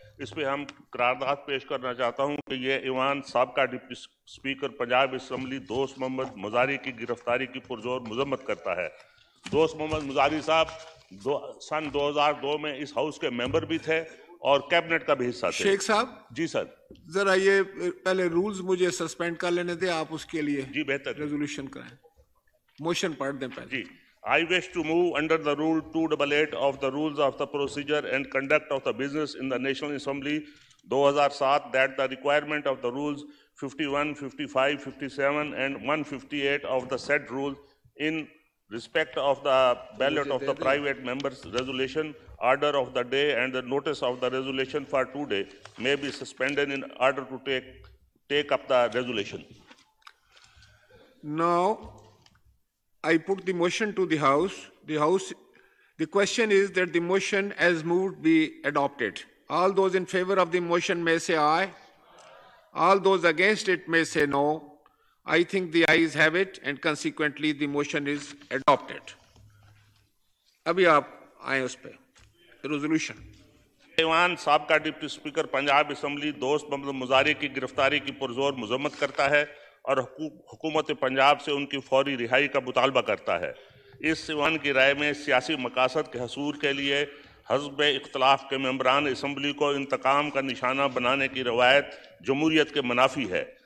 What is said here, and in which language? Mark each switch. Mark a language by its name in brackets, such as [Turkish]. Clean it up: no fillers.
[Urdu] اس پہ ہم قرارداد پیش کرنا چاہتا ہوں کہ یہ ایوان صاحب کا ڈپٹی سپیکر پنجاب اسمبلی دوست محمد مزاری کی گرفتاری کی پرزور مذمت کرتا ہے. دوست محمد مزاری صاحب سن 2002 میں اس ہاؤس کے ممبر بھی تھے اور کیبنٹ کا بھی حصہ تھے. شیخ صاحب. جی سر. ذرا یہ پہلے رولز مجھے سسپینڈ کر لینے دیں, آپ اس کے لیے. جی بہتر. ریزولوشن کریں, موشن پڑھ دیں پہلے. جی. [English] I wish to move under the rule 288 of the rules of the procedure and conduct of the business in the National Assembly 2007 that the requirement of the rules 51, 55, 57 and 158 of the said rules in respect of the ballot of the private members resolution, order of the day and the notice of the resolution for today may be suspended in order to take up the resolution. Now, I put the motion to the House. The House, the question is that the motion as moved be adopted. All those in favor of the motion may say aye. All those against it may say no. I think the ayes have it and consequently the motion is adopted. [Urdu] Abhi aap aaye us pe. Resolution. ایوان صاحب کا deputy speaker Punjab assembly دوست محمد مزاری کی گرفتاری کی پرزور مذمت کرتا ہے اور حکومت پنجاب سے ان کی فوری رہائی کا مطالبہ کرتا ہے. اس ایوان کی رائے میں سیاسی مقاصد کے حصول کے لیے حزب اختلاف کے ممبران اسمبلی کو انتقام کا نشانہ بنانے کی روایت جمہوریت کے منافی ہے.